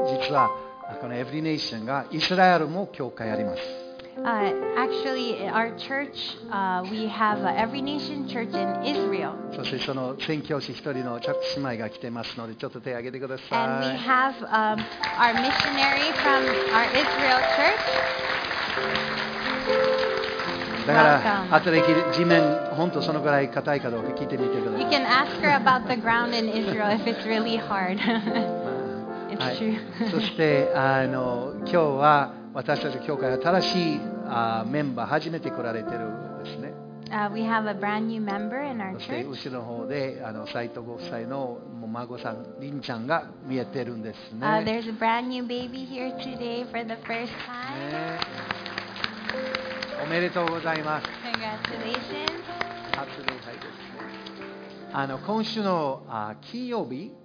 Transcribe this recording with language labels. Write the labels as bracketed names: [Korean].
[Japanese] イスラエルも教会あります。 [English] Actually, our church, we have Every Nation Church in Israel. [Japanese] そしてその宣教師一人のチャック姉妹が来てますので、ちょっと手を挙げてください。 [English] And we have our missionary from our Israel church. [Japanese] だから後で地面本当そのぐらい硬いかどうか聞いてみてください。 [English] You can ask her about the ground in Israel if it's really hard. [Japanese] はい、そしてあの今日は私たち教会は新しいメンバー初めて来られてるんですね。 [English] We have a brand new member in our church. [Japanese] そして後ろの方で斉藤ご夫妻の孫さん凛ちゃんが見えてるんですね。 [English] There's a brand new baby here today for the first time.、ね、 [Japanese] おめでとうございます。 [English] Congratulations. [Japanese] 初の会です、ね、今週の金曜日。